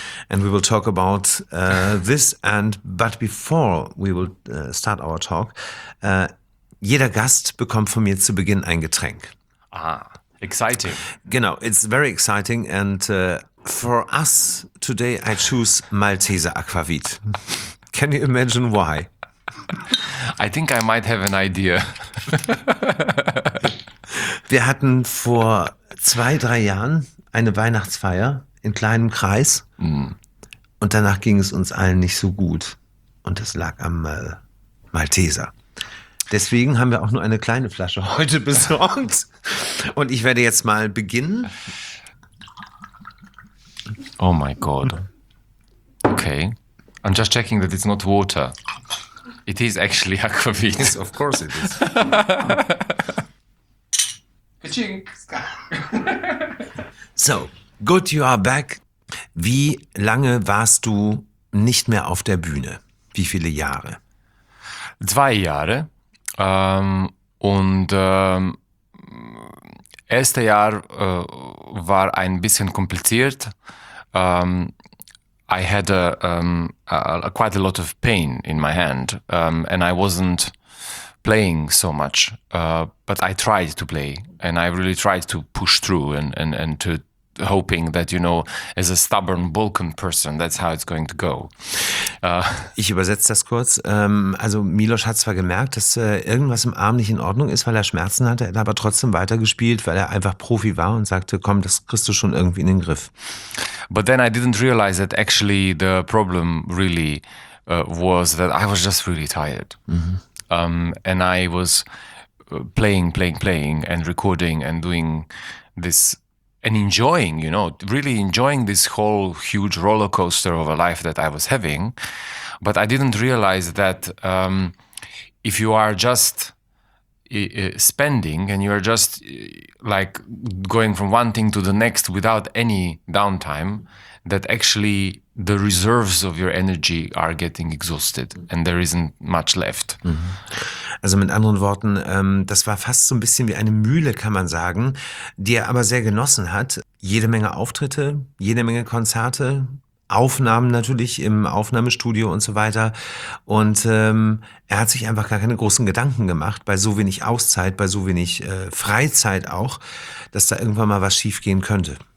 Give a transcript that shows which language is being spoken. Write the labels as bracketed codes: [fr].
[en] And we will talk about this. But before we will start our talk, [de] jeder Gast bekommt von mir zu Beginn ein Getränk. [en] Ah, exciting. [de] Genau, [en] it's very exciting. And for us today, I choose Malteser Aquavit. Can you imagine why? I think I might have an idea. [de] Wir hatten vor 2-3 Jahren eine Weihnachtsfeier in kleinem Kreis. Und danach ging es uns allen nicht so gut. Und das lag am Malteser. Deswegen haben wir auch nur eine kleine Flasche heute besorgt. Und ich werde jetzt mal beginnen. [en] Oh my God. Okay. I'm just checking that it's not water. It is actually aquavit. Yes, of course it is. So, good you are back. [de] Wie lange warst du nicht mehr auf der Bühne? Wie viele Jahre? 2 Jahre. Und erste Jahr war ein bisschen kompliziert. [en] I had quite a lot of pain in my hand and I wasn't playing so much. But I tried to play and I really tried to push through and to hoping that, you know, as a stubborn Balkan person, that's how it's going to go. [de] Ich übersetze das kurz. Also Milosch hat zwar gemerkt, dass irgendwas im Arm nicht in Ordnung ist, weil er Schmerzen hatte, hat aber trotzdem weitergespielt, weil er einfach Profi war und sagte, komm, das kriegst du schon irgendwie in den Griff. [en] But then I didn't realize that actually the problem really was that I was just really tired. Mm-hmm. And I was playing and recording and doing this and enjoying, you know, really enjoying this whole huge roller coaster of a life that I was having. But I didn't realize that if you are just spending and you are just like going from one thing to the next without any downtime, that actually the reserves of your energy are getting exhausted and there isn't much left. [de] Also mit anderen Worten, das war fast so ein bisschen wie eine Mühle, kann man sagen, die er aber sehr genossen hat. Jede Menge Auftritte, jede Menge Konzerte, Aufnahmen natürlich im Aufnahmestudio und so weiter. Und er hat sich einfach gar keine großen Gedanken gemacht, bei so wenig Auszeit, bei so wenig Freizeit auch, dass da irgendwann mal was schief gehen könnte.